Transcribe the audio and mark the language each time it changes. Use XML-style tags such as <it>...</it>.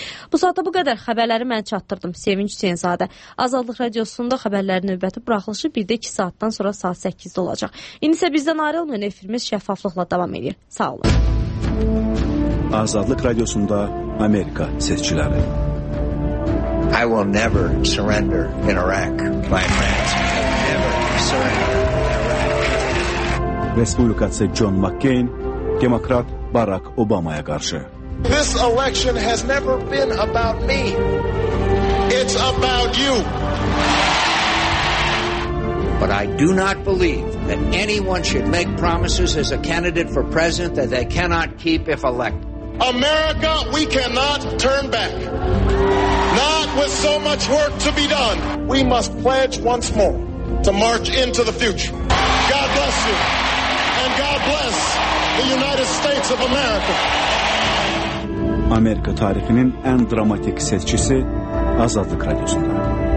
<az>Bu saatda bu qədər xəbərləri mən çatdırdım. Sevinç Hüseynzadə. Azadlıq Radiosunda xəbərlərin növbəti buraxılışı bir də 2 saatdan sonra saat 8-də olacaq. İndi isə bizdən ayrılmayın, efirimiz şəffaflıqla davam edir. Sağ olun. Azadlıq Radiosunda Amerika seçkiləri.</az> <en>I will never surrender in Iraq, my friends. Never surrender in Iraq.</en> <az>Respublikaçı John McCain, demokrat Barack Obama'ya qarşı.</az> <en>This election has never been about me. It's about you. But I do not believe that anyone should make promises as a candidate for president that they cannot keep if elected. America, we cannot turn back. Not with so much work to be done. We must pledge once more to march into the future. God bless you, and God bless the United States of America.</en> <az>Amerika tarihinin en dramatik seçicisi Azadlık Radyosu'nda.</az>